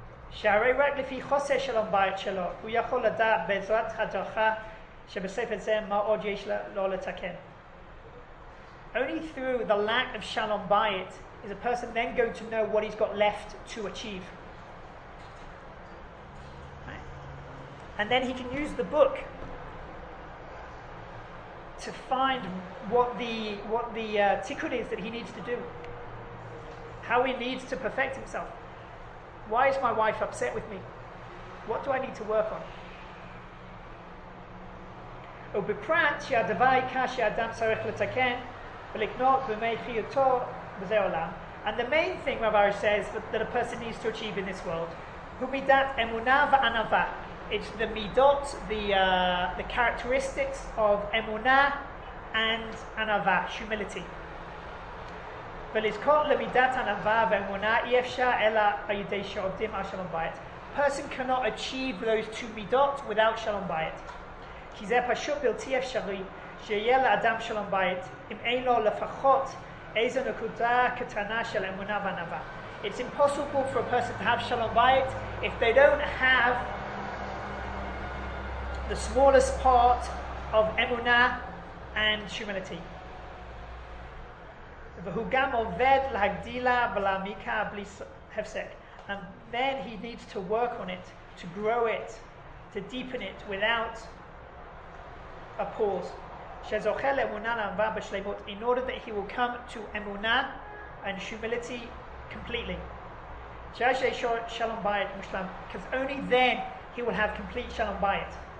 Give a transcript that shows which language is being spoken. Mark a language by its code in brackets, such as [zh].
[he] שהרי רק לפי חוסר שלום בית שלו, הוא יכול לדעת בעזרת הדרכה שבספר זה מה עוד יש לו לתקן. [en] Only through the lack of Shalom Bayit is a person then going to know what he's got left to achieve. And then he can use the book to find what the tikkun is that he needs to do. How he needs to perfect himself. Why is my wife upset with me? What do I need to work on? [he] ובפרט שהדבר העיקר שאדם צריך לתקן ולקנות במי חיותו וזה עולם. [en] And the main thing Rav Arish says that a person needs to achieve in this world, [he] הוא מידת אמונה וענווה. [en] It's the midot, the characteristics of emuna and anava, humility. [he] ולזכור למידת ענווה ואמונה אי אפשר אלא על ידי שעובדים על שלום בית. [en] Person cannot achieve those two midot without שלום בית. [he] כי זה פשוט בלתי אפשרי שיהיה לאדם שלום בית אם אין לו לפחות איזו נקודה קטנה של אמונה וענווה. [en] It's impossible for a person to have שלום בית if they don't have the smallest part of emuna and humility. [he] והוא גם עובד להגדילה ולהעמיקה בלי הפסק. [en] And then he needs to work on it, to grow it, to deepen it without a pause. [he] שזוכה לאמונה לאהבה בשלמות, [en] in order that he will come to אמונה and humility completely. [he] שיש לי שלום בית מושלם, [en] because only then he will have complete שלום בית.